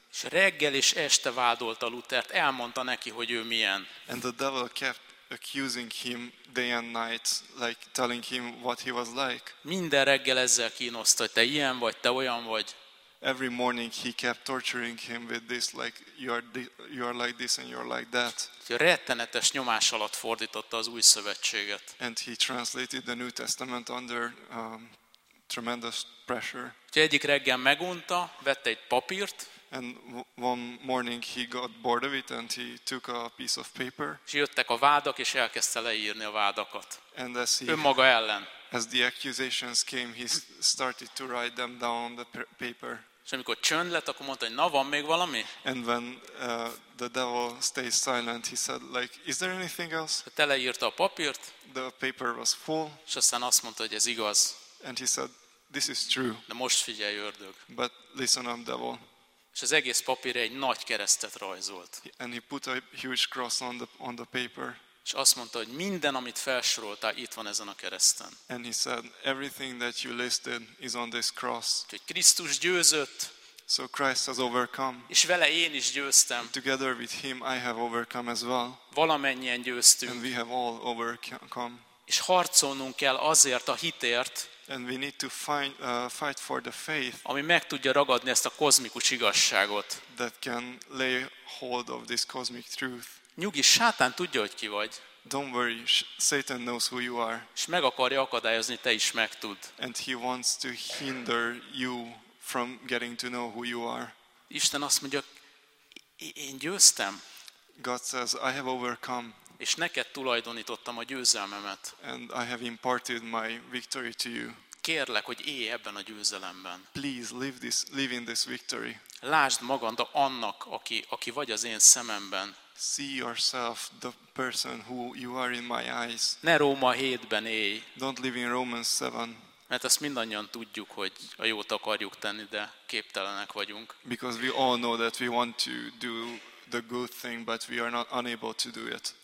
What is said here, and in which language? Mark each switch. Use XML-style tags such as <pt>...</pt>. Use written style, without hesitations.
<hu>És reggel és este vádolta Luthert, elmondta neki, hogy ő milyen.</hu> <en>And the devil kept accusing him day and night, like telling him what he was like.</en> <hu>Minden reggel ezzel kínoszta, hogy te ilyen vagy, te olyan vagy.</hu> <en>Every morning he kept torturing him with this, like you are like this and you are like that.</en> <hu>Rettenetes nyomás alatt fordította az új szövetséget.</hu> <en>And he translated the New Testament under tremendous pressure.</en> <hu>Úgyhogy egyik reggel megunta, vette egy papírt.</hu> <en>And one morning he got bored of it and he took a piece of paper.</en> <hu>És jöttek a vádak és elkezdte leírni a vádakat.</hu> <en>And as he,</en> <hu>önmaga ellen.</hu> <en>As the accusations came, he started to write them down on the paper.</en> <hu>És amikor csönd lett, akkor mondta, hogy na, van még valami?</hu> <en>And when the devil stays silent, he said, like, is there anything else?</en> <hu>Te leírta a papírt.</hu> <en>The paper was full.</en> <hu>És aztán azt mondta, hogy ez igaz.</hu> <en>And he said, this is true.</en> <hu>De most figyelj, ördög.</hu> <en>But listen up, devil.</en> <hu>És az egész papírra egy nagy keresztet rajzolt.</hu> <en>And he put a huge cross on the paper.</en> <hu>És azt mondta, hogy minden, amit felsoroltál, itt van ezen a kereszten.</hu> <en>And he said, everything that you listed is on this cross.</en> <hu>Úgyhogy Krisztus győzött.</hu> <en>So Christ has overcome.</en> <hu>És vele én is győztem.</hu> <en>Together with him I have overcome as well.</en> <hu>Valamennyien győztünk.</hu> <en>And we have all overcome.</en> <hu>És harcolnunk kell azért a hitért.</hu> <en>And we need to fight for the faith,</en> <hu>ami meg tudja ragadni ezt a kozmikus igazságot.</hu> <en>That can lay hold of this cosmic truth.</en> <hu>Nyugi, Sátán tudja, hogy ki vagy.</hu> <en>Don't worry, Satan knows who you are.</en> <hu>És meg akarja akadályozni, te is megtud.</hu> <en>And he wants to hinder you from getting to know who you are.</en> <hu>Isten azt mondja, én győztem.</hu> <en>God says, I have overcome.</en> <hu>És neked tulajdonítottam a győzelmemet.</hu> <en>And I have imparted my victory to you.</en> <hu>Kérlek, hogy élj ebben a győzelemben.</hu> <en>Please live in this victory.</en> <hu>Lásd magad annak, aki vagy az én szememben.</hu> <en>See yourself the person who you are in my eyes.</en> <hu>Ne Róma 7-ben élj.</hu> <en>Don't live in Romans 7.</en> <hu>Mert azt mindannyian tudjuk, hogy a jót akarjuk tenni, de képtelenek vagyunk.</hu> <en>Because we all know that we want to do the good thing, but we are not unable to do it.</en>